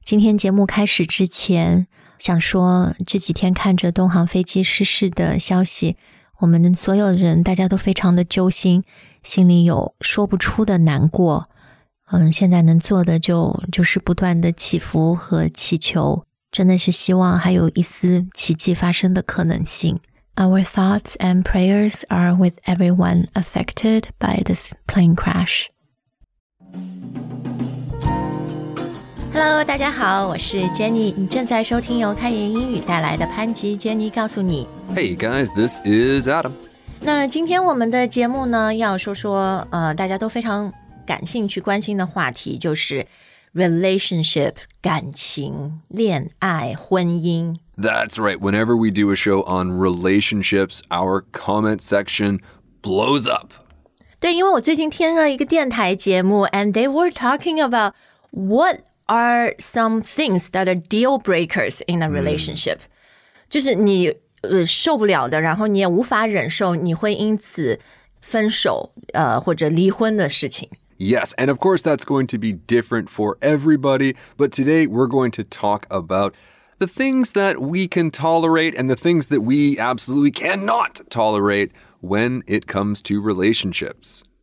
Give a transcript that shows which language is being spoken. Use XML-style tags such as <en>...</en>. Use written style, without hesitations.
<zh>今天节目开始之前，想说这几天看着东航飞机失事的消息，我们所有人大家都非常的揪心，心里有说不出的难过。现在能做的就是不断的祈福和祈求，真的是希望还有一丝奇迹发生的可能性。</zh> <en>Our thoughts and prayers are with everyone affected by this plane crash.</en> <zh>Hello, 大家好，我是 Jenny. 你正在收听由开言英语带来的潘吉 Jenny 告诉你。</zh> <en>Hey guys, this is Adam.</en> <zh>那今天我们的节目呢，要说说大家都非常感兴趣关心的话题，就是 relationship 感情、恋爱、婚姻。</zh> <en>That's right. Whenever we do a show on relationships, our comment section blows up.</en> <zh>对，因为我最近听了一个电台节目</zh> <en>and they were talking about what are some things that are deal breakers in a relationship.</en> <zh>就是你受不了的，然后你也无法忍受你会因此分手或者离婚的事情。</zh> <en>Yes, and of course that's going to be different for everybody, but today we're going to talk aboutThe things that we can tolerate and the things that we absolutely cannot tolerate when it comes to relationships.</en>